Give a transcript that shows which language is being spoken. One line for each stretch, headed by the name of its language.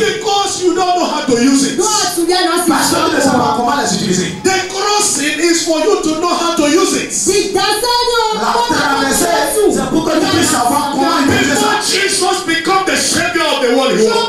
English: Because you don't know how to use it.
French: Pastor ne sait pas comment les utiliser.
English: The crossing is for you to know how to use it.
French: La traversée, c'est pour que tu puisses savoir comment utiliser ça.
English: Before Jesus become the savior of the world, he was